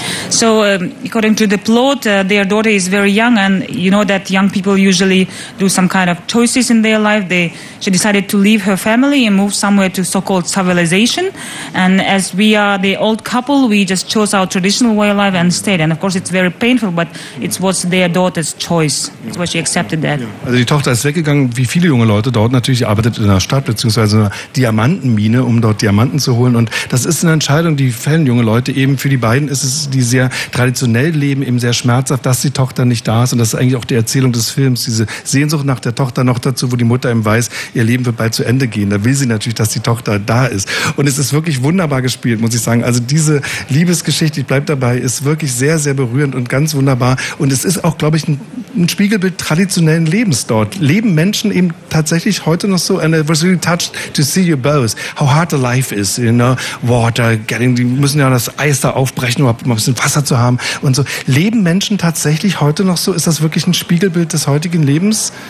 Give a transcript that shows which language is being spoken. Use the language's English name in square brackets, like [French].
[English] So, according to the plot, their daughter is very young, and you know that young people usually do some kind of choices in their life. She decided to leave her family and move somewhere to so-called civilization. And as we are the old couple, we just chose our traditional way of life and stayed. And of course, it's very painful, but it was their daughter's choice. It's why she accepted that. [German] Also, die Tochter ist weggegangen, wie viele junge Leute dort natürlich, arbeitet in einer Stadt beziehungsweise einer Diamantenmine, um dort Diamanten zu holen. Und das ist eine Entscheidung, die fällen junge Leute eben für die beiden. Ist es, die sehr traditionell leben, eben sehr schmerzhaft, dass die Tochter nicht da ist. Und das ist eigentlich auch die Erzählung des Films, diese Sehnsucht nach der Tochter noch dazu, wo die Mutter eben weiß, ihr Leben wird bald zu Ende gehen. Da will sie natürlich, dass die Tochter da ist. Und es ist wirklich wunderbar gespielt, muss ich sagen. Also diese Liebesgeschichte, ich bleib dabei, ist wirklich sehr, sehr berührend und ganz wunderbar. Und es ist auch, glaube ich, ein Spiegelbild traditionellen Lebens dort. Leben Menschen eben tatsächlich heute noch so? [English] And it was really touched to see you both. How hard the life is, you know? Water, getting, [German] die müssen ja das Eis da aufbrechen, um ein bisschen Wasser zu haben und so. Leben Menschen tatsächlich heute noch so? Ist das wirklich ein Spiegelbild des heutigen Lebens?